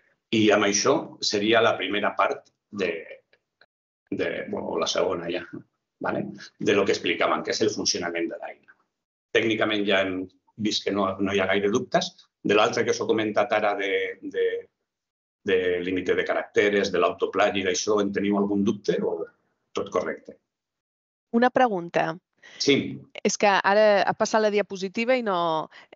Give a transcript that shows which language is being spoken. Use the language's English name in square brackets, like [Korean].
[Spanish] Y [Catalan] amb això [Spanish] sería la primera parte o la segunda ya, ¿vale? De lo que explicaban, que es el funcionamiento de la eina. Técnicamente ya [Catalan] hem vist que no hi ha gaire dubtes. De l'altre que us he comentat ara de límite de caràcters, de l'autoplagi, d'això, en teniu algun dubte o tot correcte? Una pregunta. Sí. És que ara ha passat la diapositiva i no...